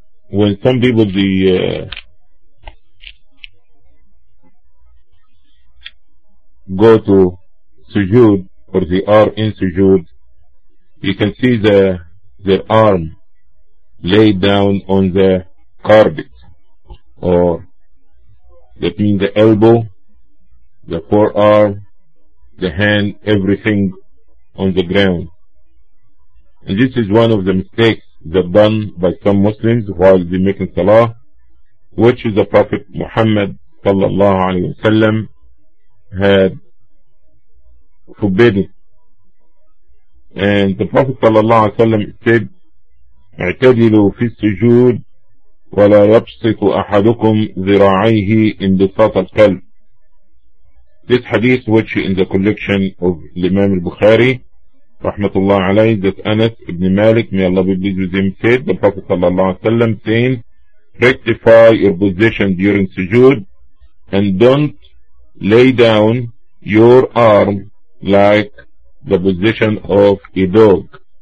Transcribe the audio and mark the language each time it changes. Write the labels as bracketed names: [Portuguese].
[English] when some people go to Sujood or they are in Sujood, you can see their arm laid down on the carpet, or that means the elbow, the forearm, the hand, everything on the ground. And this is one of the mistakes that are done by some Muslims while they're making Salah, which is the Prophet Muhammad sallallahu alayhi wa sallam had forbidden. And the Prophet sallallahu alaihi wasallam said, [Arabic] "اعتدلوا في السجود ولا يبسط أحدكم ذراعيه إن بساط الكلب." [English] This hadith, which in the collection of Imam al-Bukhari, rahmatullah alayhi, that Anas ibn Malik, may Allah be pleased with him, said, the Prophet sallallahu alaihi wasallam saying, "Rectify your position during sujood, and don't lay down your arm like the position of a dog."